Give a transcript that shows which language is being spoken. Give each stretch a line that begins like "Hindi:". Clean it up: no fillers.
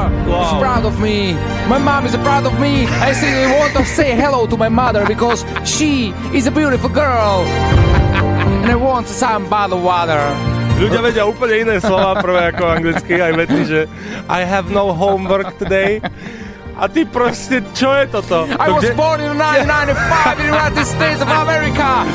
English: She's proud of me. My mom is proud of me. I still want to say hello to my mother because she is a beautiful girl. And I want some bottle of water.
Slovak: Ľudia vedia úplne iné slova prvé ako anglicky. Aj vedli, že
English: I have no homework today.
Slovak: A ty proste, čo je toto?
English: I was born in 1995 in the United States of America.